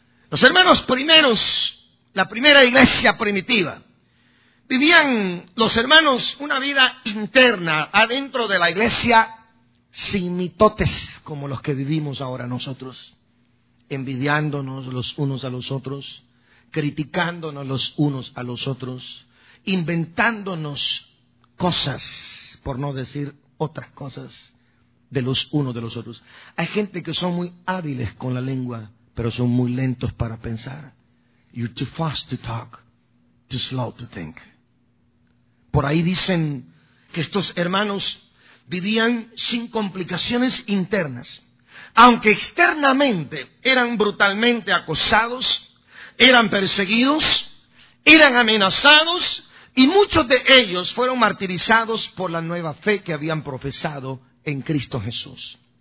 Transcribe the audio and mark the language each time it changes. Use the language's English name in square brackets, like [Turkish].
[Spanish] Los hermanos primeros, la primera iglesia primitiva, vivían los hermanos una vida interna, adentro de la iglesia, sin mitotes como los que vivimos ahora nosotros, envidiándonos los unos a los otros, criticándonos los unos a los otros, inventándonos cosas, por no decir otras cosas, de los unos de los otros. Hay gente que son muy hábiles con la lengua, pero son muy lentos para pensar. [English] You're too fast to talk, too slow to think. [Spanish] Por ahí dicen que estos hermanos vivían sin complicaciones internas. Aunque externamente eran brutalmente acosados, eran perseguidos, eran amenazados, y muchos de ellos fueron martirizados por la nueva fe que habían profesado en Cristo Jesús.